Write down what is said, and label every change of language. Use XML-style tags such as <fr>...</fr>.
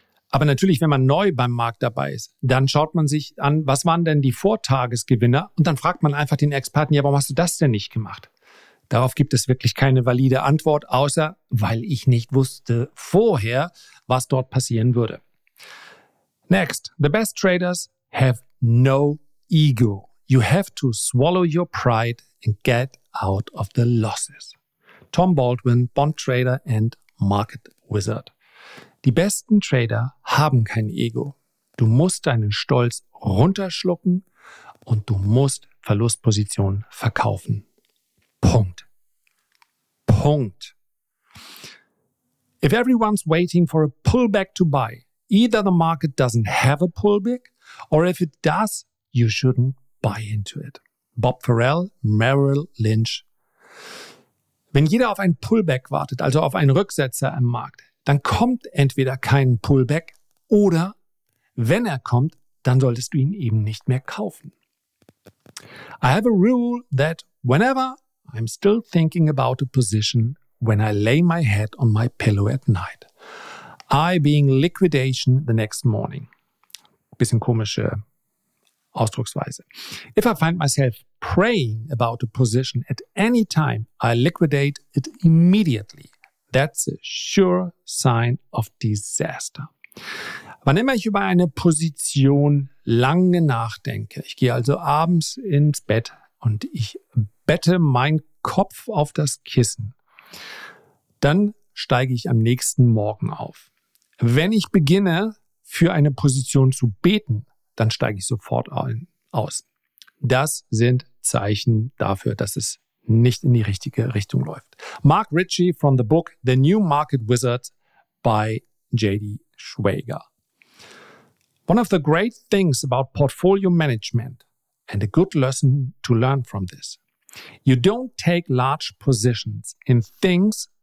<de>Aber natürlich, wenn man neu beim Markt dabei ist, dann schaut man sich an, was waren denn die Vortagesgewinner? Und dann fragt man einfach den Experten, ja, warum hast du das denn nicht gemacht? Darauf gibt es wirklich keine valide Antwort, außer weil ich nicht wusste vorher, was dort passieren würde.</de> <en>Next, the best traders have no ego. You have to swallow your pride and get out of the losses. Tom Baldwin, Bond Trader and Market Wizard.</en> <de>Die besten Trader haben kein Ego. Du musst deinen Stolz runterschlucken und du musst Verlustpositionen verkaufen. Punkt. Punkt.</de> <en>If everyone's waiting for a pullback to buy, either the market doesn't have a pullback, or if it does, you shouldn't buy into it. Bob Farrell, Merrill Lynch.</en> <de>Wenn jeder auf einen Pullback wartet, also auf einen Rücksetzer im Markt, dann kommt entweder kein Pullback oder wenn er kommt, dann solltest du ihn eben nicht mehr kaufen.</de> <en>I have a rule that whenever I'm still thinking about a position, when I lay my head on my pillow at night, I being liquidation the next morning.</en> <de>Bisschen komische Ausdrucksweise.</de> <en>If I find myself praying about a position at any time, I liquidate it immediately. That's a sure sign of disaster.</en> <de>Wann immer ich über eine Position lange nachdenke, ich gehe also abends ins Bett und ich bette meinen Kopf auf das Kissen, dann steige ich am nächsten Morgen auf. Wenn ich beginne, für eine Position zu beten, dann steige ich sofort aus. Das sind Zeichen dafür, dass es nicht in die richtige Richtung läuft.</de> <en>Mark Ritchie from the book The New Market Wizard by J.D. Schwager. One of the great things about portfolio management and a good lesson to learn from this. You don't take large positions in things</en>